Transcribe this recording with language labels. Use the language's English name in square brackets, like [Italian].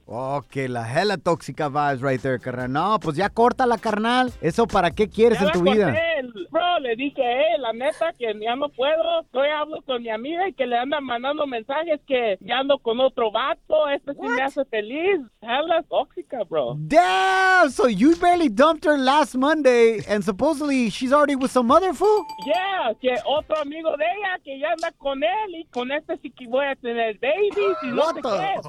[English] Oh, que la hella tóxica vibes right there, carnal. [Spanish] No, pues ya córtala, carnal. ¿Eso para qué quieres ya en tu vida? Bro, le dije, la neta, que ya no puedo. Hoy hablo con mi amiga y que le andan mandando mensajes que ya ando con otro vato. Este sí me hace feliz. Hella tóxica, bro. [English] Damn, so you barely dumped her last Monday and supposedly she's already with some other fool? [Spanish] Yeah, que otro amigo de ella que ya anda con él y con este sí que voy a tener babies y what no sé qué.